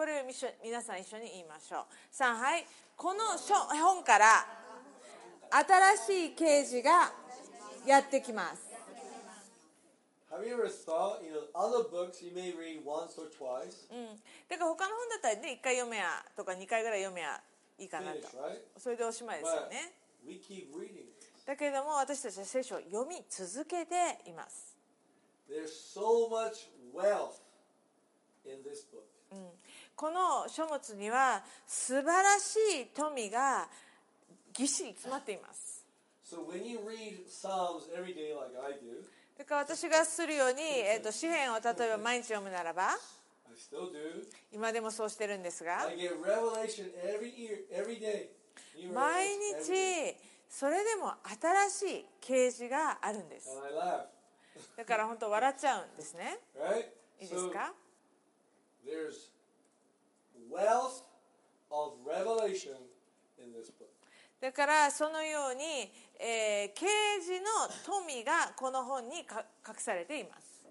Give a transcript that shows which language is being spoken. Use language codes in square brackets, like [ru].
[ja] これを皆さん一緒に言いましょう。三杯、この本から。新しい啓示がやってきます。 [en] Have you ever thought, you know, other books you may read once or twice? [ja] だから他の本だったらね、1回読めやとか2回ぐらい読めやいいかなと。それでおしまいですよね。 [en] We keep reading. [ja] だけれども私たちは聖書を読み続けています。 [en] There's so much wealth in this book. [ja] この書物には素晴らしい富がぎっしり詰まっています。 [en] So when you read Psalms every day like I do, [ja] だから私がするように、詩篇を例えば毎日読むならば、 [en] I still do. [ja] 今でもそうしてるんですが、 [en] I get revelation every year, every day. [ja] 毎日それでも新しい啓示があるんです。 [en] And I laugh. [ja] だから本当笑っちゃうんですね。 [en] Right? [ja] いいですか？ [en] So, there's wealth of revelation in this book. [ja] だからそのように、啓示の富がこの本に隠されています。